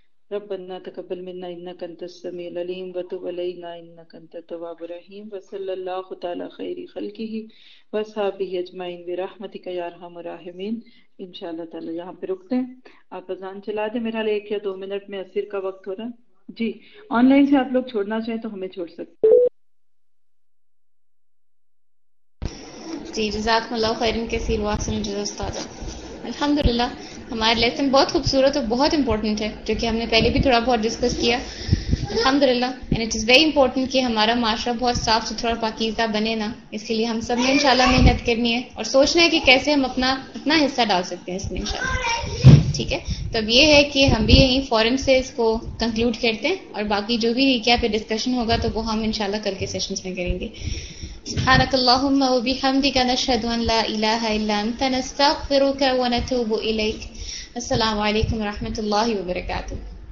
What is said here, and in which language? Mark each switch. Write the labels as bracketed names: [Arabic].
[Arabic] ربنا تقبل منا انك انت السميع العليم, وتب علينا انك انت التواب الرحيم. وصلى الله تعالى خير خلقه وصحبه اجمعين برحمتك يا ارحم الراحمين. [Urdu] ان شاء الله تعالى یہاں پہ رکتے ہیں. آپ اذان چلا دیں, میرا لے ایک یا دو منٹ میں عصر کا وقت ہو رہا. جی آن لائن سے آپ لوگ چھوڑنا چاہیں تو ہمیں چھوڑ سکتے ہیں. جی جزاک اللہ خیر کثیر واسن استاذہ. الحمد للہ ہمارا لیسن بہت خوبصورت اور بہت امپورٹنٹ ہے, جو کہ ہم نے پہلے بھی تھوڑا بہت ڈسکس کیا. الحمد للہ [English] and it is very important [Urdu] کہ ہمارا معاشرہ بہت صاف ستھرا اور پاکیزہ بنے نا. اس کے لیے ہم سب نے انشاءاللہ محنت کرنی ہے اور سوچنا ہے کہ کیسے ہم اپنا حصہ ڈال سکتے ہیں اس میں انشاءاللہ. ٹھیک ہے, تو اب یہ ہے کہ ہم بھی یہیں فوراً سے اس کو کنکلوڈ کرتے ہیں, اور باقی جو بھی کیا پھر ڈسکشن ہوگا تو وہ ہم انشاءاللہ کر کے سیشنز میں کریں گے. [Arabic] سبحانك اللهم وبحمدك نشهد ان لا اله الا انت نستغفرك ونتوب اليك. السلام عليكم ورحمة الله وبركاته.